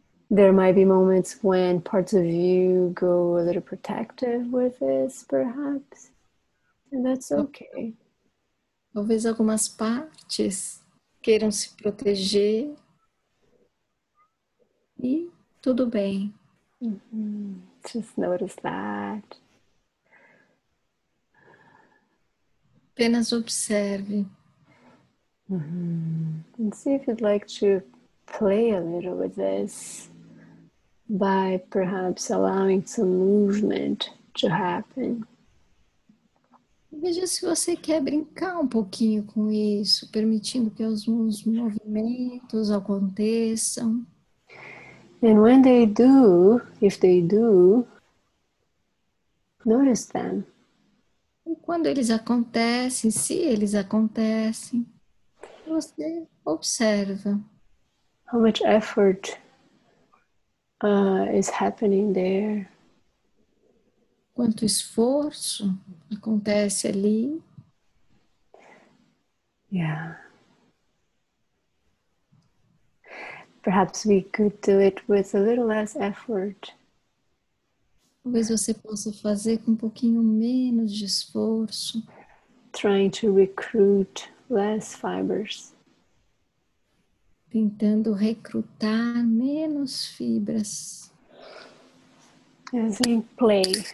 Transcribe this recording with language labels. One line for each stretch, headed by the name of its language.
English: There might be moments when parts of you go a little protective with this, perhaps, and that's okay.
Portuguese: Talvez algumas partes queiram se proteger e tudo bem.
English: Just notice that.
Portuguese: Apenas observe.
English: And see if you'd like to play a little with this by perhaps allowing some movement to happen.
Portuguese: Veja se você quer brincar um pouquinho com isso, permitindo que alguns movimentos aconteçam.
English: And when they do, if they do, notice them.
Portuguese: E quando eles acontecem, se eles acontecem, você observa.
English: How much effort is happening there?
Portuguese: Quanto esforço acontece ali? Yeah.
English: Perhaps we could do it with a little less effort.
Portuguese: Talvez você possa fazer com um pouquinho menos de esforço.
English: Trying to recruit less fibers.
Portuguese: Tentando recrutar menos fibras.
English: As in play.